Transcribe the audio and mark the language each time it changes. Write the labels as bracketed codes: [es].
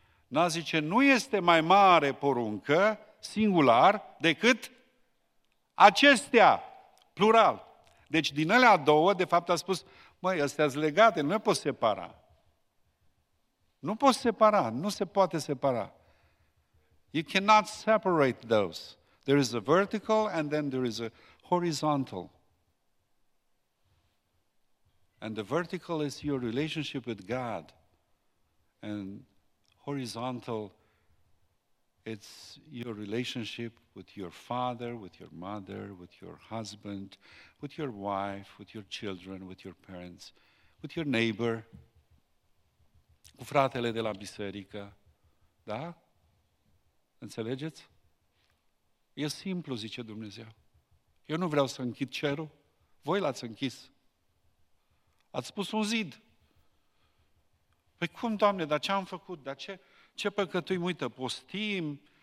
[ro] N-a zice, nu este mai mare poruncă, singular, decât acestea, plural. Deci din alea două, de fapt a spus, măi, astea-s legate, nu le poți separa. Nu poți separa, nu se poate separa. [en] You cannot separate those. There is a vertical and then there is a horizontal. And the vertical is your relationship with God. And horizontal, it's your relationship with your father, with your mother, with your husband, with your wife, with your children, with your parents, with your neighbor, [ro] cu fratele de la biserică. Da? Înțelegeți? E simplu, zice Dumnezeu. Eu nu vreau să închid cerul. Voi l-ați închis. Ați pus un zid. Păi cum, Doamne, dar ce am făcut? Dar ce păcătuim? Uite, postim.